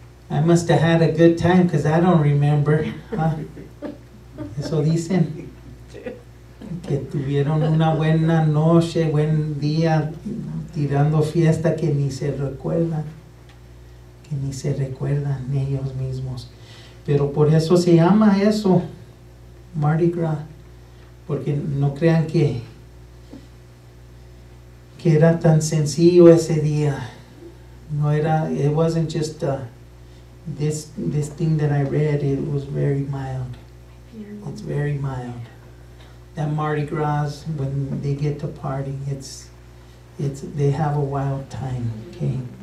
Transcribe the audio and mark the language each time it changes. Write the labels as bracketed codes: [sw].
[en] I must have had a good time because I don't remember. [es] Huh? Eso dicen. Que tuvieron una buena noche, buen día, tirando fiesta que ni se recuerdan. Que ni se recuerdan ellos mismos. Pero por eso se llama eso, Mardi Gras. Porque no crean que era tan sencillo ese día. No era, [en] it wasn't just this thing that I read, it was very mild. It's very mild. That Mardi Gras, when they get to party, it's they have a wild time, okay?